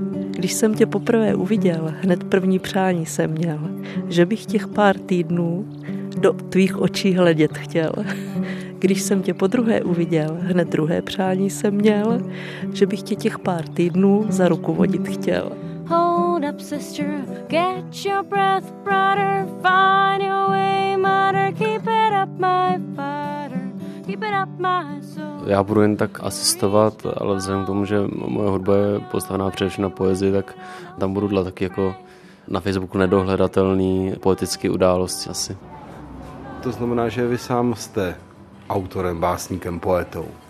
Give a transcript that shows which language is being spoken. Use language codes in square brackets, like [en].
[cs] Když jsem tě poprvé uviděl, hned první přání jsem měl, že bych těch pár týdnů do tvých očí hledět chtěl. Když jsem tě podruhé uviděl, hned druhé přání jsem měl, že bych tě těch pár týdnů za ruku vodit chtěl. [en] Hold up, sister, get your breath, brother, find your way, mother, keep it up, my father, keep it up, my soul. [cs] Já budu jen tak asistovat, ale vzhledem k tomu, že moje hudba je postavená především na poezii, tak tam budu dělat taky jako na Facebooku nedohledatelný poetický události asi. To znamená, že vy sám jste autorem, básníkem, poetou.